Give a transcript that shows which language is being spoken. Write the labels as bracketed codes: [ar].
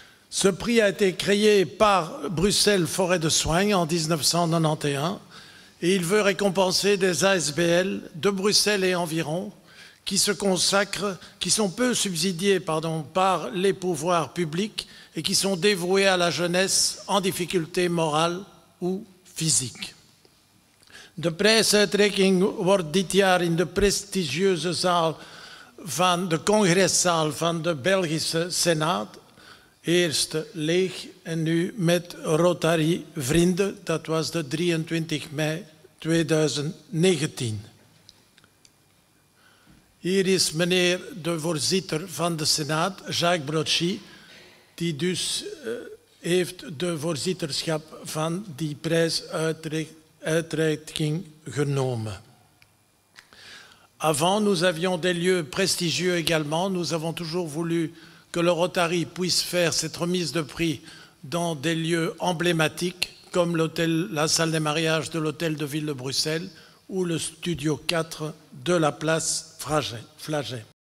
[fr] Ce prix a été créé par Bruxelles Forêt de Soigne en 1991 et il veut récompenser des ASBL de Bruxelles et environ qui se consacrent, qui sont peu subsidiés par les pouvoirs publics et qui sont dévoués à la jeunesse en difficulté morale ou physique. [nl] De prijsuitreiking wordt dit jaar in de prestigieuze zaal van de congreszaal van de Belgische Senaat, eerst leeg en nu met Rotary vrienden. Dat was de 23 mei 2019. Hier is meneer de voorzitter van de Senaat, Jacques Brotschy, die dus heeft de voorzitterschap van die prijsuitreiking genomen. [fr] Avant, nous avions des lieux prestigieux également. Nous avons toujours voulu que le Rotary puisse faire cette remise de prix dans des lieux emblématiques, comme l'hôtel, la salle des mariages de l'hôtel de ville de Bruxelles ou le studio 4 de la place Flaget.